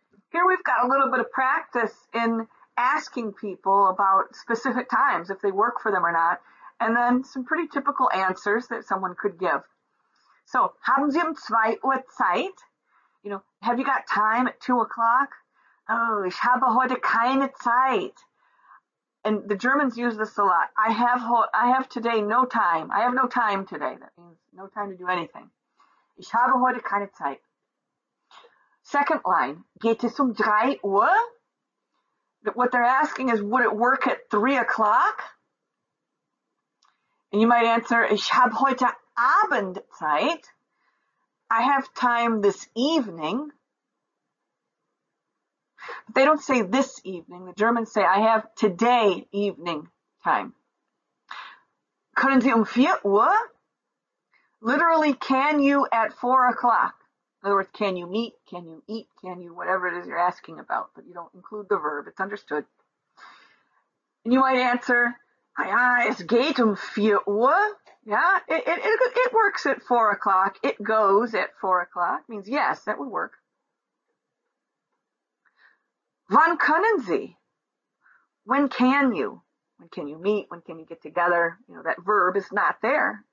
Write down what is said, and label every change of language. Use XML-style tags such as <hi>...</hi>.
<en>here we've got a little bit of practice in asking people about specific times, if they work for them or not, and then some pretty typical answers that someone could give.</en> <de>So, haben Sie zwei Uhr Zeit?</de> <en>You know, have you got time at 2 o'clock?</en> <de>Oh, ich habe heute keine Zeit.</de> <en>And the Germans use this a lot. I have today no time. I have no time today. That means no time to do anything.</en> <de>Ich habe heute keine Zeit.</de> <en>Second line,</en> <de>geht es 3 Uhr?</de> <en>What they're asking is, would it work at 3 o'clock? And you might answer,</en> <de>ich habe heute Abend Zeit.</de> <en>I have time this evening. But they don't say this evening. The Germans say, I have today evening time.</en> <de>Können Sie 4 Uhr?</de> <en>Literally, can you at 4 o'clock? In other words, can you meet? Can you eat? Can you whatever it is you're asking about? But you don't include the verb. It's understood. And you might answer,</en> <de>ja, es geht 4 Uhr.</de> <en>Yeah, it works at 4 o'clock. It goes at 4 o'clock. It means yes, that would work.</en> <de>Wann können Sie?</de> <en>When can you? When can you meet? When can you get together? You know, that verb is not there.</en>